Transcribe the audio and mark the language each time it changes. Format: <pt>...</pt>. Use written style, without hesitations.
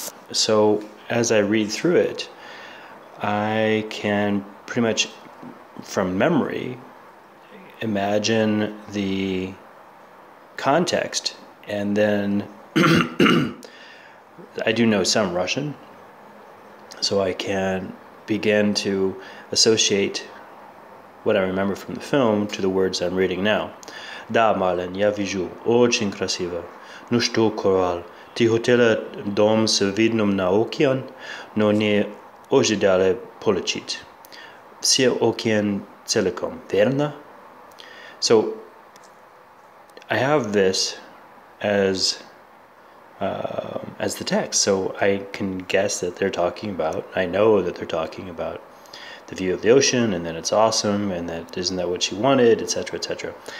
<en>So as I read through it, I can pretty much, from memory, imagine the context, and then I do know some Russian, so I can begin to associate what I remember from the film to the words I'm reading now.</en> <ru>Да, Марлен, я вижу, очень красиво. Ну что, Корал, ты хотела дом с видом на океан, но не ожидали получить. Все океан целиком, верно?</ru> <en>So, I have this as the text, so I can guess that they're talking about, I know that they're talking about the view of the ocean, and that it's awesome, and that isn't that what she wanted, etc., etc.</en>